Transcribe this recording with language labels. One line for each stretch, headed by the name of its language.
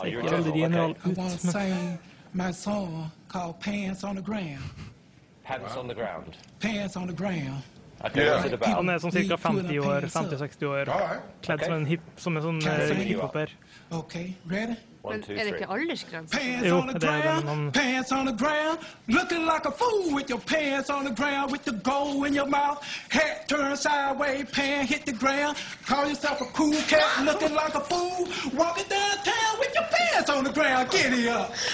Norwegian: Så jeg gir aldri general ut.
English: I want to say my song called Pants on the Ground. Pants on the Ground. Pants on the Ground.
Norwegian: Han er sånn cirka 50 år, 50-60 år, kledd som en hip, som en sånn hiphopper.
English: Okay, ready?
Norwegian: Men er det ikke aldersgrense? Jo, det er den man...
English: Pants on the ground, looking like a fool with your pants on the ground, with the gold in your mouth, hat turned sideways, pants hit the ground, call yourself a cool cat, looking like a fool, walking downtown with your pants on the ground, giddy up.